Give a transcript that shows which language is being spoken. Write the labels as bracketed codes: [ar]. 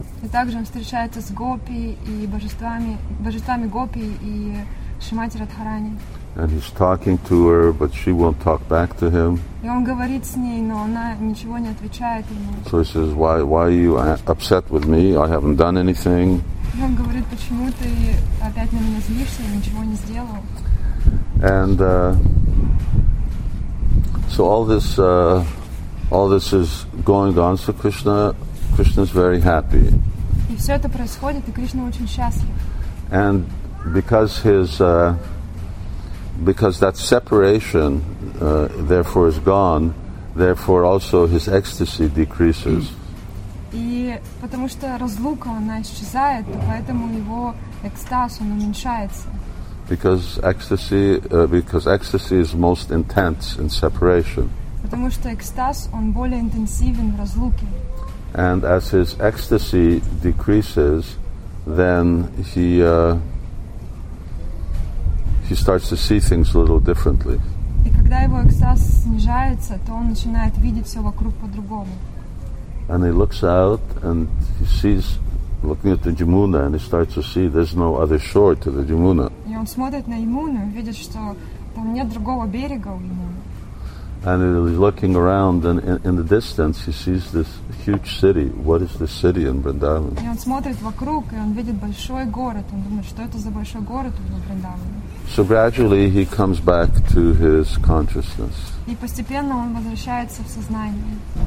[ru] И также он встречается с Гопи и божествами Гопи и Шримати Радхарани. [en] And he's talking to her, but she won't talk back to him. [ru] И он говорит с ней, но она ничего не отвечает ему. [en] So he says, "Why are you upset with me? I haven't done anything." [ru] И он говорит, почему ты опять на меня злишься? Я ничего не сделал. [en] And so all this is going on. So Krishna is very happy. [ru] И все это происходит, и Кришна очень счастлив. [en] And because because that separation, therefore, is gone, therefore also his ecstasy decreases. [ru] И потому что разлука она исчезает, поэтому его экстаз он уменьшается. [en] Because ecstasy is most intense in separation. [ru] Потому что экстаз он более интенсивен в разлуке. [en] And as his ecstasy decreases, then he starts to see things a little differently. [ru] И когда его экстаз снижается, то он начинает видеть все вокруг по-другому. [en] And he looks out and he sees, looking at the Jamuna, and he starts to see there's no other shore to the Jamuna. [ru] И он смотрит на Ямуну и видит, что там нет другого берега у Ямуны. [en] And he's looking around, and in the distance he sees this huge city. What is this city in Vrindavan? [ru] И он смотрит вокруг и он видит большой город. Он думает, что это за большой город в Вриндаване. [en] So gradually he comes back to his consciousness. [ru] И постепенно он возвращается в сознание.